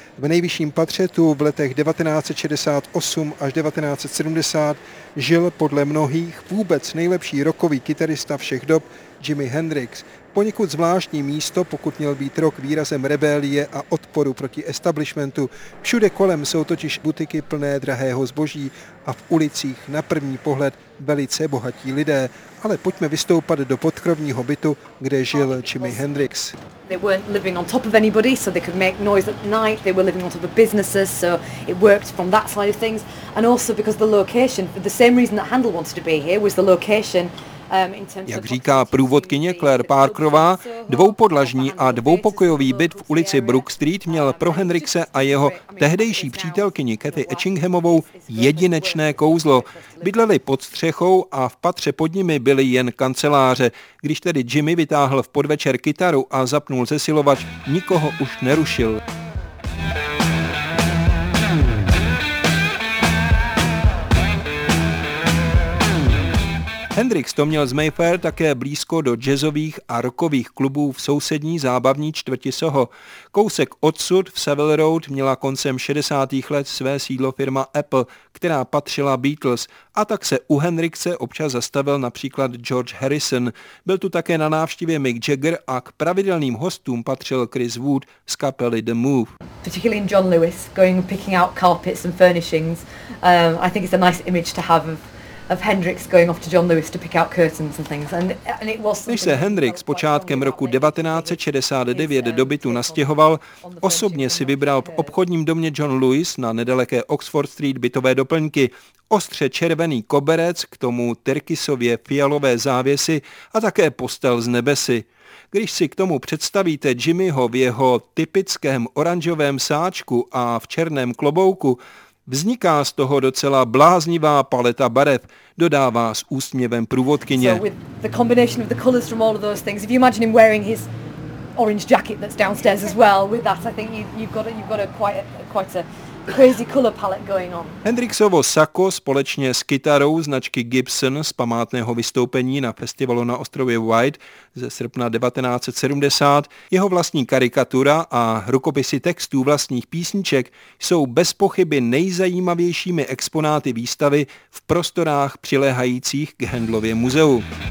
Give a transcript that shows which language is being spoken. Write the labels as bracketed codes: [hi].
[cs] V nejvyšším patře tu v letech 1968 až 1970 žil podle mnohých vůbec nejlepší rockový kytarista všech dob Jimi Hendrix. Poněkud zvláštní místo, pokud měl být rock výrazem rebelie a odporu proti establishmentu. Všude kolem jsou totiž butiky plné drahého zboží a v ulicích na první pohled velice bohatí lidé. Ale pojďme vystoupat do podkrovního bytu, kde žil Jimi Hendrix. [en] They weren't living on top of anybody, so they could make noise at night. They were living on top of businesses, so it worked from that side of things. And also because the location, the same reason that Handel wanted to be here was the location. [cs] Jak říká průvodkyně Claire Parkerová, dvoupodlažní a dvoupokojový byt v ulici Brook Street měl pro Hendrixe a jeho tehdejší přítelkyni Cathy Etchinghamovou jedinečné kouzlo. Bydleli pod střechou a v patře pod nimi byly jen kanceláře. Když tedy Jimmy vytáhl v podvečer kytaru a zapnul zesilovač, nikoho už nerušil. Hendrix to měl z Mayfair také blízko do jazzových a rockových klubů v sousední zábavní čtvrti Soho. Kousek odsud v Savile Road měla koncem 60. let své sídlo firma Apple, která patřila Beatles, a tak se u Hendrixe občas zastavil například George Harrison. Byl tu také na návštěvě Mick Jagger a k pravidelným hostům patřil Chris Wood z kapely The Move. [en] Particularly in John Lewis going picking out carpets and furnishings. I think it's a nice image to have of Hendrix going off to John Lewis to pick out curtains and things, and it was. [cs] Když se Hendrix počátkem roku 1969 do bytu nastěhoval, osobně si vybral v obchodním domě John Lewis na nedaleké Oxford Street bytové doplňky. Ostře červený koberec, k tomu tyrkysově fialové závěsy a také postel z nebesy. Když si k tomu představíte Jimmyho v jeho typickém oranžovém sáčku a v černém klobouku, vzniká z toho docela bláznivá paleta barev, dodává s úsměvem průvodkyně. [en] So with the combination of the colors from all of those things, if you imagine him wearing his orange jacket that's downstairs as well, with that I think you've got a quite a crazy color palette going on. [cs] Hendrixovo sako společně s kytarou značky Gibson z památného vystoupení na festivalu na ostrově White ze srpna 1970, jeho vlastní karikatura a rukopisy textů vlastních písniček jsou bez pochyby nejzajímavějšími exponáty výstavy v prostorách přiléhajících k Handlově muzeu.